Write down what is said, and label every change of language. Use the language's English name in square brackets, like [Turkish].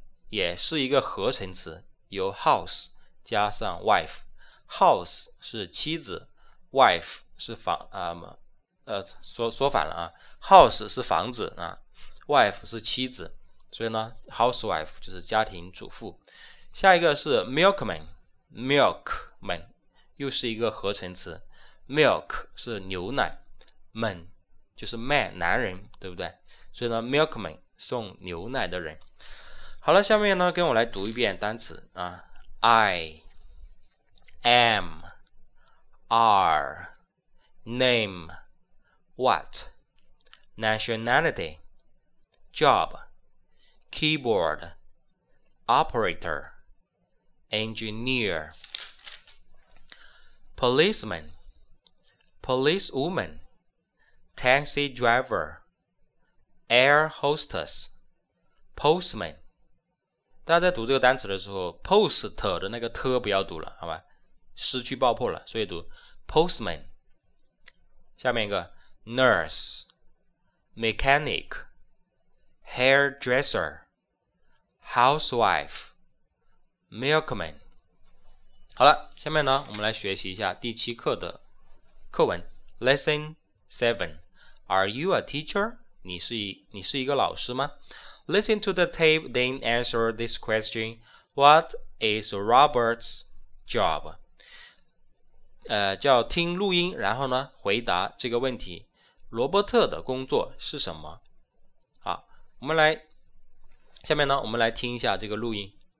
[Chinese] 也是一个合成词，由 house 加上 wife， house 是妻子， wife 是房、说反了啊， house 是房子啊， wife 是妻子，所以呢 housewife 就是家庭主妇。下一个是 milkman， milkman 又是一个合成词， milk 是牛奶， man 就是 man 男人，对不对？所以呢 milkman 送牛奶的人。好了，下面呢跟我来读一遍单词啊。 [English] I am R name what nationality job keyboard operator engineer policeman policewoman taxi driver air hostess postman。 [Chinese] 大家在读这个单词的时候 post 的那个 t 不要读了，好吧，失去爆破了，所以读 postman。下面一个 [English] nurse mechanic hairdresser housewife milkman。 [Chinese] 好了，下面呢我们来学习一下第七课的课文 lesson 7。 [English] Are you a teacher? [Chinese] 你是一个老师吗？ [English] Listen to the tape, then answer this question. What is Robert's job? [Chinese] 叫听录音，然后呢，回答这个问题。罗伯特的工作是什么？好，我们来，下面呢，我们来听一下这个录音。